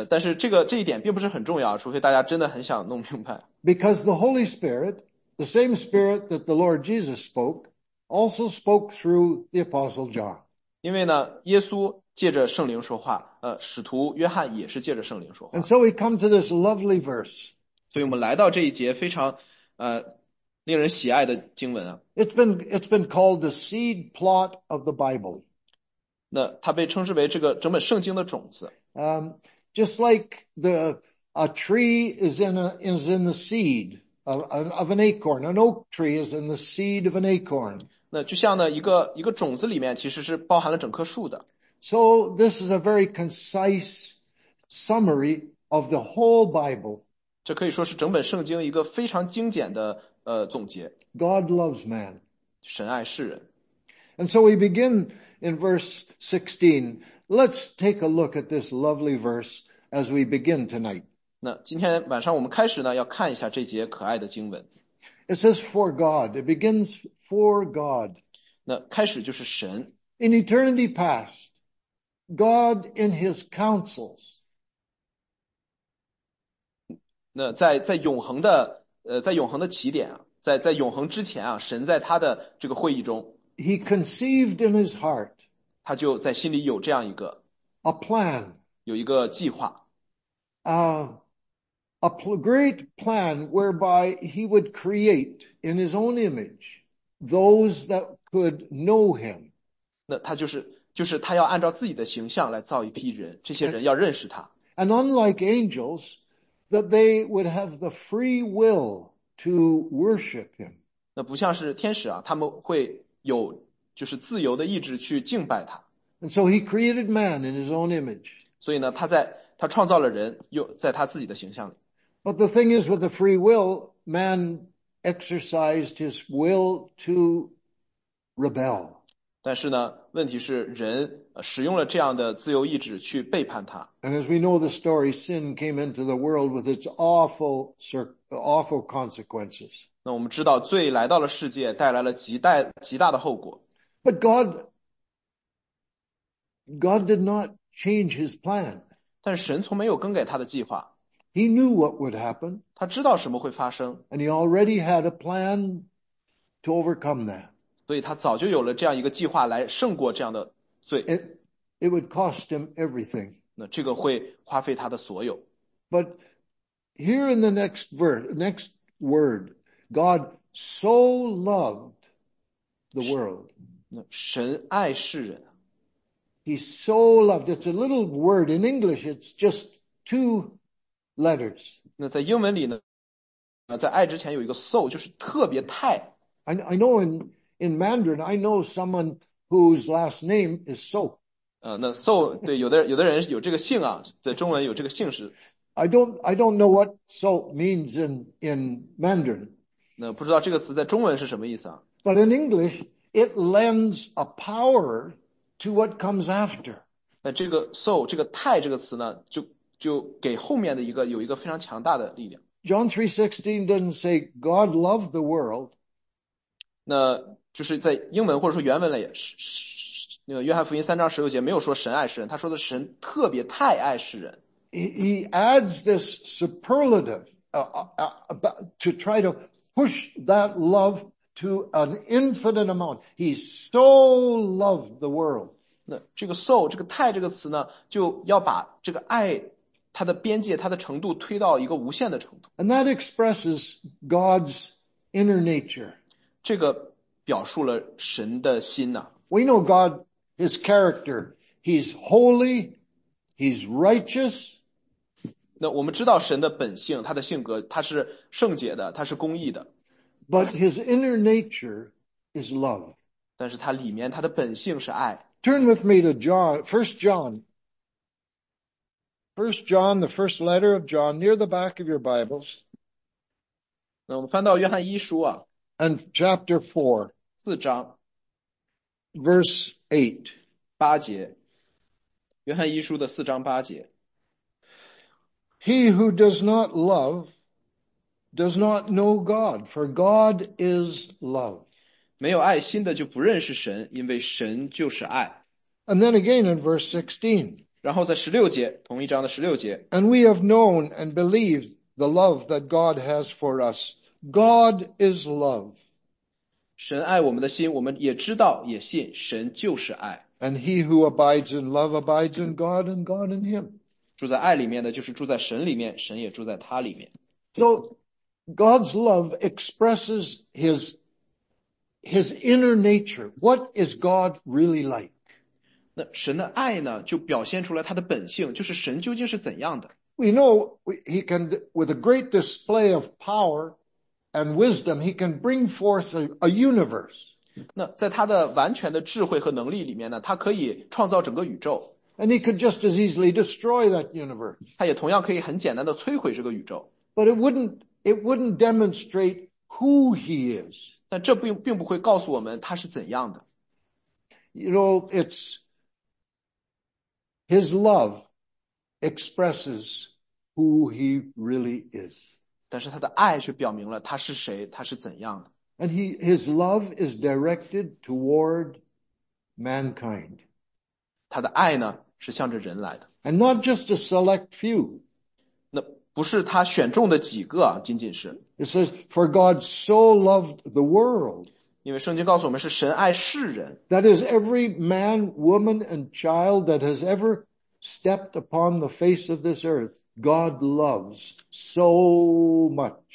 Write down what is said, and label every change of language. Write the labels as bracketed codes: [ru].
[zh] 但是这一点并不是很重要，除非大家真的很想弄明白。 [en] Because the Holy Spirit, the same Spirit that the Lord Jesus spoke, also spoke through the Apostle John. [zh] 因为呢，耶稣借着圣灵说话，使徒约翰也是借着圣灵说话。 [en] And so we come to this lovely verse. [zh] 所以我们来到这一节非常令人喜爱的经文啊。 [en] It's been called the seed plot of the Bible. [zh] 那它被称之为这个整本圣经的种子。 [en] Just like a tree is in the seed of an acorn. An oak tree is in the seed of an acorn. [zh] 那就像呢一个种子里面其实是包含了整棵树的。 [en] So this is a very concise summary of the whole Bible. [zh] 这可以说是整本圣经一个非常精简的总结。 [en] God loves man. [zh] 神爱世人。 [en] And so we begin in verse 16. Let's take a look at this lovely verse as we begin tonight. [zh] 那今天晚上我们开始呢，要看一下这节可爱的经文。 [en] It says for God. It begins for God. [zh] 那开始就是神。 [en] In eternity past, God in his counsels. [zh] 那在永恒的起点啊，在永恒之前啊，神在他的这个会议中， [en] He conceived in his heart [zh] 他就在心里有这样一个， [en] a plan, [zh] 有一个计划。 [en] a great plan whereby he would create in his own image those that could know him. [zh] 那他就是他要按照自己的形象来造一批人，这些人要认识他。 [en] And unlike angels, that they would have the free will to worship him. [zh] 那不像是天使啊，他们会有就是自由的意志去敬拜他。 [en] And so he created man in his own image. [zh] 所以呢，他创造了人，又在他自己的形象里。 [en] But the thing is, with the free will, man exercised his will to rebel. [zh] 但是呢，问题是人使用了这样的自由意志去背叛他。 [en] And as we know the story, sin came into the world with its awful consequences. [zh] 那我们知道罪来到了世界，带来了极大的后果。 [en] But God did not change his plan. [zh] 但是神从没有更改他的计划。 [en] He knew what would happen. [zh] 他知道什么会发生。 [en] And he already had a plan to overcome that. [zh] 所以他早就有了这样一个计划来胜过这样的罪。 [en] It would cost him everything. [zh] 那这个会花费他的所有。 [en] But here in the next word, God so loved the world. [zh] 那神爱世人。 [en] He so loved. It's a little word in English. It's just two letters. [zh] 那在英文里呢，在爱之前有一个 so， 就是特别太。 [en] I know in Mandarin, I know someone whose last name is So. [zh] 那 so 对，有的人有这个姓啊，在中文有这个姓氏。 [en] I don't know what So means in Mandarin. [zh] 那不知道这个词在中文是什么意思啊？ [en] But in English, it lends a power to what comes after. [zh] 那这个 so 这个太这个词呢，就给后面的一个有一个非常强大的力量。 [en] John 3:16 doesn't say God loved the world. [zh] 那就是在英文或者说原文了也是。那个约翰福音三章十六节没有说神爱世人，他说的神特别太爱世人。 [en] He adds this superlative to try to push that love to an infinite amount. He so loved the world. [zh] 那这个 so 这个太这个词呢，就要把这个爱它的边界它的程度推到一个无限的程度。 [en] And that expresses God's inner nature. [zh] 这个表述了神的心呐。 [en] We know God, his character. He's holy, he's righteous. [zh] 那我们知道神的本性，他的性格，他是圣洁的，他是公义的。 [en] But his inner nature is love. [zh] 但是他里面他的本性是爱。 [en] Turn with me to John, 1 John. 1 John, the first letter of John, near the back of your Bibles. [zh] 那我们翻到约翰一书啊。 [en] And chapter 4. [zh] 四章。 [en] Verse 8. [zh] 八节。约翰一书的四章八节。 [en] He who does not love does not know God, for God is love. [zh] 没有爱心的就不认识神，因为神就是爱。 [en] And then again in verse 16. [zh] 然后在十六节，同一章的十六节。 [en] And we have known and believed the love that God has for us. God is love. [zh] 神爱我们的心，我们也知道也信，神就是爱。 [en] And he who abides in love abides in God and God in him. [zh] 住在爱里面的就是住在神里面，神也住在他里面。 [en] So God's love expresses his inner nature. What is God really like? [zh] 那神的爱呢，就表现出来他的本性，就是神究竟是怎样的。 [en] We know he can, with a great display of power and wisdom, he can bring forth a universe. [zh] 那在他的完全的智慧和能力里面呢，他可以创造整个宇宙。 [en] And he could just as easily destroy that universe. [zh] 他也同样可以很简单的摧毁这个宇宙。 [en] But it wouldn't demonstrate who he is. [zh] 但这并不会告诉我们他是怎样的。 [en] You know, it's his love expresses who he really is. [zh] 但是他的爱却表明了他是谁，他是怎样的。 [en] And his love is directed toward mankind. [zh] 他的爱呢，是向着人来的。 [en] And not just a select few. [zh] 那不是他选中的几个，仅仅是。 [en] It says, for God so loved the world. [zh] 因为圣经告诉我们是神爱世人。 [en] That is every man, woman, and child that has ever stepped upon the face of this earth, God loves so much.